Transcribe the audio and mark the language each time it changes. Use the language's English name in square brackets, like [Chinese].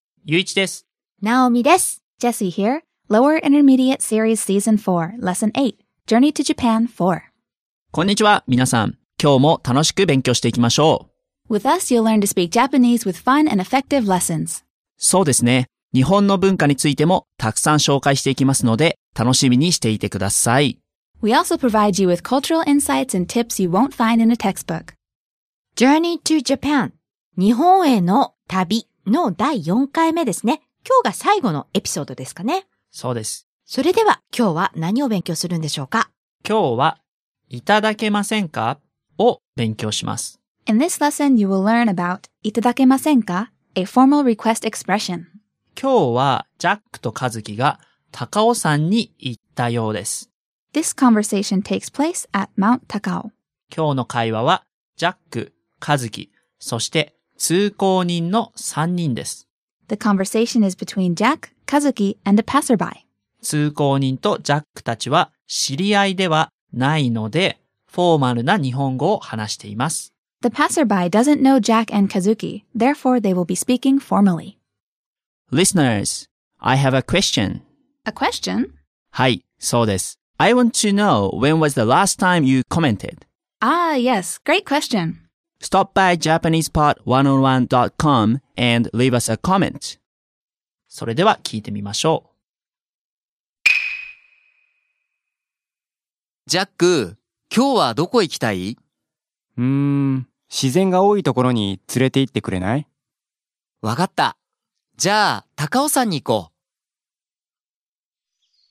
[Japanese] ゆういちです。ナオミです。 [English] Jesse here. Lower Intermediate Series Season 4 Lesson 8Journey to Japan 4. [Japanese] こんにちは、皆さん。今日も楽しく勉強していきましょう。 [English] With us, you'll learn to speak Japanese with fun and effective lessons. [Japanese] そうですね。日本の文化についてもたくさん紹介していきますので、楽しみにしていてください。 [English] We also provide you with cultural insights and tips you won't find in a textbook. Journey to Japan. [Japanese] 日本への旅の第4回目ですね。今日が最後のエピソードですかね。そうです。それでは今日は何を勉強するんでしょうか。今日はいただけませんかを勉強します。 [English] In this lesson, you will learn about いただけませんか ?A formal request expression. [Japanese] 今日はジャックとカズキが高尾山に行ったようです。 [English] This conversation takes place at Mount Takao. [Japanese] 今日の会話はジャック、カズキ、そして通行人の3人です。 [English] The conversation is between Jack, Kazuki, and a passerby. [Japanese] 通行人とジャックたちは知り合いではないので、フォーマルな日本語を話しています。 [English] The passerby doesn't know Jack and Kazuki, therefore they will be speaking formally. Listeners, I have a question. A question? [Japanese] はい、そうです。 [English] I want to know when was the last time you commented? Ah, yes, great question. Stop by JapanesePod101.com and leave us a comment. [Japanese] それでは聞いてみましょう。ジャック、今日はどこ行きたい？自然が多いところに連れて行ってくれない？わかった。じゃあ、高尾山に行こう。